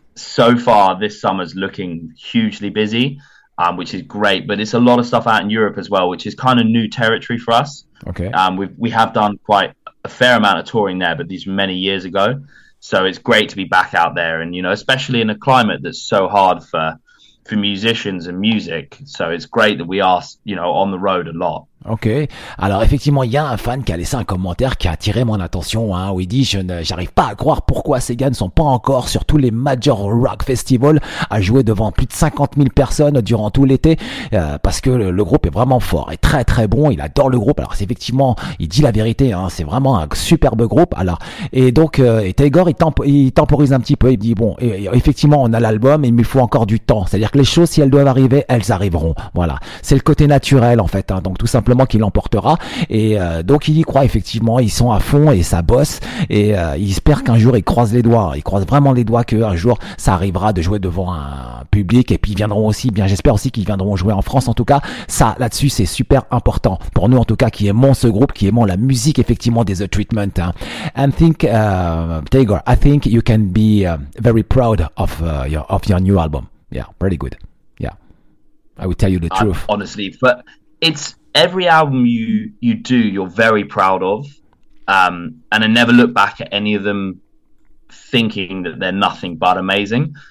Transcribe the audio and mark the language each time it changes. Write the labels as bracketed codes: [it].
[en] so far this summer's looking hugely busy, which is great, but it's a lot of stuff out in Europe as well, which is kind of new territory for us. We have done quite a fair amount of touring there, but these were many years ago, so it's great to be back out there, and you know, especially in a climate that's so hard for musicians and music, so it's great that we are, you know, on the road a lot. [fr] Ok, alors effectivement il y a un fan qui a laissé un commentaire qui a attiré mon attention hein, où il dit j'arrive pas à croire pourquoi ces gars ne sont pas encore sur tous les major rock festivals à jouer devant plus de 50 000 personnes durant tout l'été parce que le groupe est vraiment fort et très très bon, il adore le groupe. Alors c'est effectivement, il dit la vérité hein, c'est vraiment un superbe groupe. Alors et donc et Taigor il temporise un petit peu, il dit bon effectivement on a l'album mais il me faut encore du temps, c'est à dire que les choses si elles doivent arriver elles arriveront, voilà, c'est le côté naturel en fait hein, donc tout ça simplement qu'il l'emportera et donc il y croit effectivement, ils sont à fond et ça bosse et il espère qu'un jour il croise vraiment les doigts qu'un jour ça arrivera de jouer devant un public et puis ils viendront aussi, bien j'espère aussi qu'ils viendront jouer en France, en tout cas ça là-dessus c'est super important pour nous en tout cas qui aimons ce groupe, qui aimons la musique effectivement des The Treatment hein. [en] I think you can be very proud of your new album, yeah, pretty good, yeah, I will tell you the truth honestly, but it's every album you do, you're very proud of, and I never look back at any of them thinking that they're nothing but amazing.